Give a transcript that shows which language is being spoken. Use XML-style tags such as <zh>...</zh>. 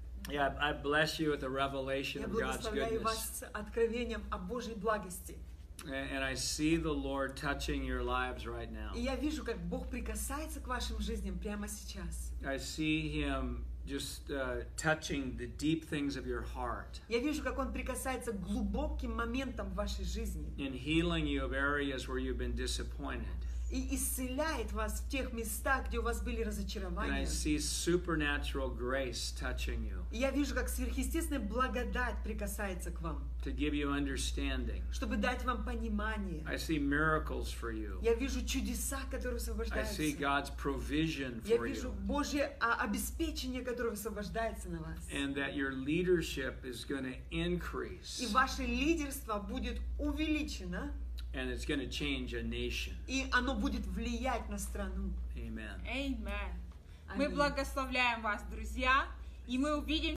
<en>Yeah, I bless you with the revelation of God's goodness.</en> <ru>Я благословляю вас откровением о Божьей благости.</ru> <en>And I see the Lord touching your lives right now.</en> <ru>И я вижу, как Бог прикасается к вашим жизням прямо сейчас.</ru> <en>I see Him just touching the deep things of your heart.</en> <ru>Я вижу, как Он прикасается к глубоким моментам вашей жизни.</ru> <en>And healing you of areas where you've been disappointed.</en> <ru>И исцеляет вас в тех местах, где у вас были разочарования.</ru> <en>And I see supernatural grace touching you.</en> <ru>И я вижу, как сверхъестественная благодать прикасается к вам.</ru> <en>To give you understanding.</en> <ru>Чтобы дать вам понимание.</ru> <en>I see miracles for you.</en> <ru>Я вижу чудеса, которые освобождаются.</ru> <en>I see God's provision for you.</en> <ru>Я вижу Божье обеспечение, которое освобождается на вас.</ru> <en>And that your leadership is going to increase.</en> <ru>И ваше лидерство будет увеличено.</ru> <en>And it's going to change a nation.</en> <ru>И оно будет влиять на страну.</ru> <en>Amen.</en> <ru>Amen. Мы благословляем вас, друзья, и мы увидим.</ru>